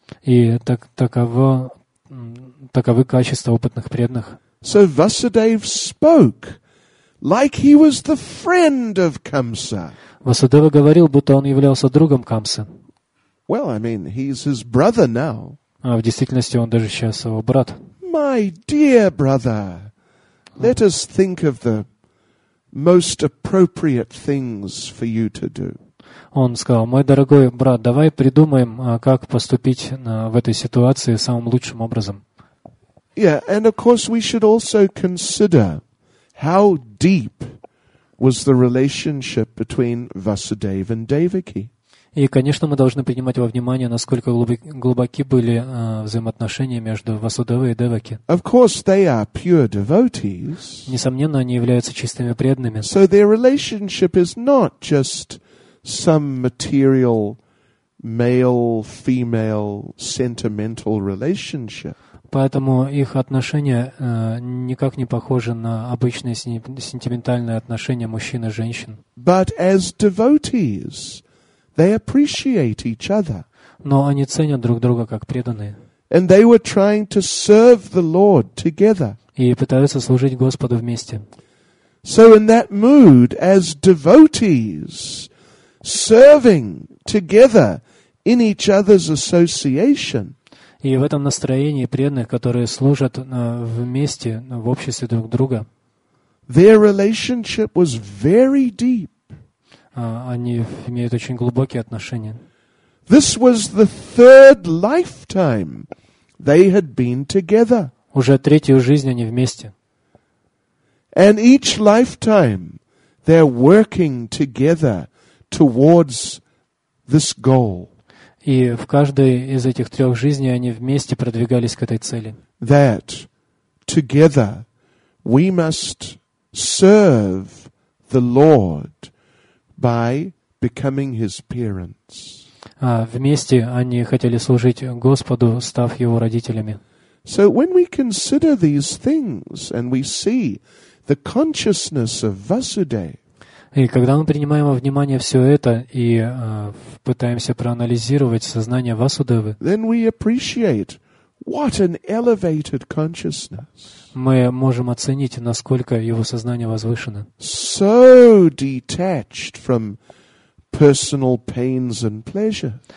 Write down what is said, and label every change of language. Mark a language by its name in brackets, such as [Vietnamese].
[Russian] И таковы качества опытных преданных. [English] So Vasudev spoke like he was the friend of Камса. [Russian] Васудева говорил, будто он являлся другом Камсы. [English] Well, I mean, he's his brother now. [Russian] А в действительности он даже сейчас его брат. [English] My dear brother, let us think of the most appropriate things for you to do. [Russian] Он сказал: мой дорогой брат, давай придумаем, как поступить в этой ситуации самым лучшим образом. [English] Yeah, and of course we should also consider how deep was the relationship between Vasudeva and Devaki. [Russian] И, конечно, мы должны принимать во внимание, насколько глубоки были взаимоотношения между Васудевой и Деваки. [English] Of course, they are pure devotees. [Russian] Несомненно, они являются чистыми преданными. [English] So their relationship is not just some material male-female sentimental relationship. [Russian] Поэтому их отношения никак не похожи на обычные сентиментальные отношения мужчин и женщин. [English] But as devotees, they appreciate each other. [Russian] Но они ценят друг друга как преданные. [English] And they were trying to serve the Lord together. [Russian] И пытаются служить Господу вместе. [English] So in that mood, as devotees, serving together in each other's association. [Russian] И в этом настроении преданных, которые служат вместе в обществе друг друга. [English] Their relationship was very deep. [Russian] Они имеют очень глубокие отношения. [English] This was the third lifetime they had been together. [Russian] Уже третью жизнь они вместе. [English] And each lifetime they're working together towards this goal. [Russian] И в каждой из этих трех жизней они вместе продвигались к этой цели. [English] That together we must serve the Lord by becoming his parents. [Russian] Вместе они хотели служить Господу, став его родителями. [English] So when we consider these things and we see the consciousness of Vasudeva. [Russian] И когда мы принимаем во внимание все это и пытаемся проанализировать сознание Васудевы, [English] then we appreciate what an elevated consciousness. [Russian] Мы можем оценить, насколько его сознание возвышено. [English] So detached from personal pains and pleasure.